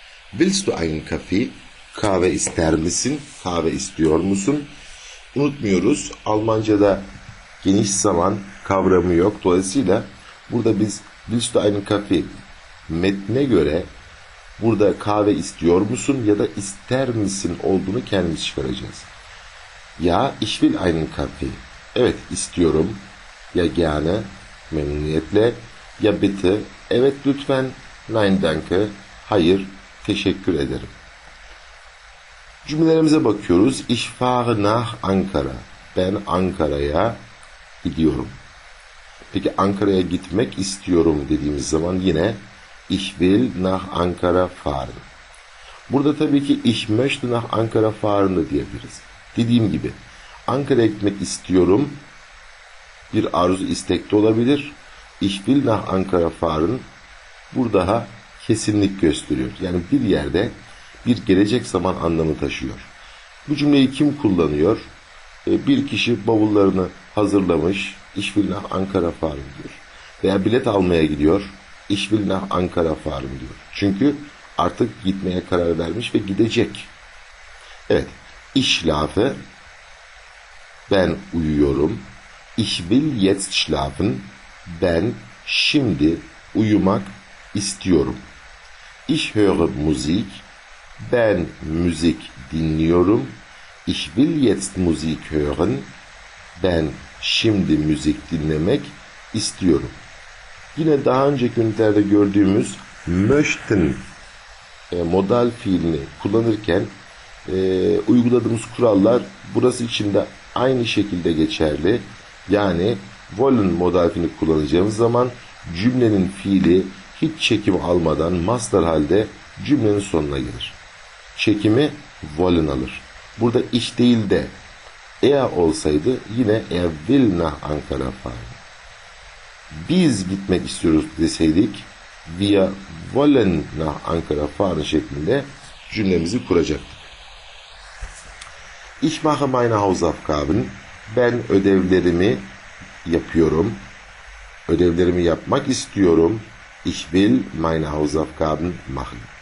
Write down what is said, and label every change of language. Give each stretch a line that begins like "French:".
German: Willst du einen Kaffee,
Turkish: kahve ister misin, kahve istiyor musun? Unutmuyoruz, Almanca'da geniş zaman kavramı yok. Dolayısıyla burada biz
German: Willst du einen Kaffee
Turkish: metne göre burada kahve istiyor musun ya da ister misin olduğunu kendimiz çıkaracağız.
German: Ya ich will einen Kaffee.
Turkish: Evet istiyorum.
German: Ya gerne,
Turkish: memnuniyetle.
German: Ya bitte.
Turkish: Evet lütfen.
German: Nein danke.
Turkish: Hayır, teşekkür ederim. Cümlelerimize bakıyoruz.
German: Ich fahre nach Ankara.
Turkish: Ben Ankara'ya gidiyorum. Peki Ankara'ya gitmek istiyorum dediğimiz zaman yine
German: Ich will nach Ankara fahren.
Turkish: Burada tabii ki
German: Ich möchte nach Ankara fahren
Turkish: diyebiliriz. Dediğim gibi Ankara'ya gitmek istiyorum bir arzu istek de olabilir.
German: Ich will nach Ankara fahren
Turkish: burada ha kesinlik gösteriyor. Yani bir yerde bir gelecek zaman anlamı taşıyor. Bu cümleyi kim kullanıyor? Bir kişi bavullarını hazırlamış.
German: Ich will nach Ankara fahren
Turkish: diyor. Veya bilet almaya gidiyor.
German: Ich will nach Ankara fahren
Turkish: diyor. Çünkü artık gitmeye karar vermiş ve gidecek. Evet.
German: Ich schlafe.
Turkish: Ben uyuyorum.
German: Ich will jetzt schlafen.
Turkish: Ben şimdi uyumak istiyorum.
German: Ich höre Musik.
Turkish: Ben müzik dinliyorum.
German: Ich will jetzt Musik hören.
Turkish: Ben şimdi müzik dinlemek istiyorum. Yine daha önceki günlerde gördüğümüz möchten modal fiilini kullanırken uyguladığımız kurallar burası için de aynı şekilde geçerli. Yani wollen modal fiilini kullanacağımız zaman cümlenin fiili hiç çekim almadan master halde cümlenin sonuna gelir. Çekimi wollen alır. Burada ich değil de eğer olsaydı yine
German: er will nach Ankara fahren.
Turkish: Biz gitmek istiyoruz deseydik
German: wir wollen nach Ankara fahren
Turkish: şeklinde cümlemizi kuracaktık.
German: Ich mache meine Hausaufgaben.
Turkish: Ben ödevlerimi yapıyorum. Ödevlerimi yapmak istiyorum.
German: Ich will meine Hausaufgaben machen.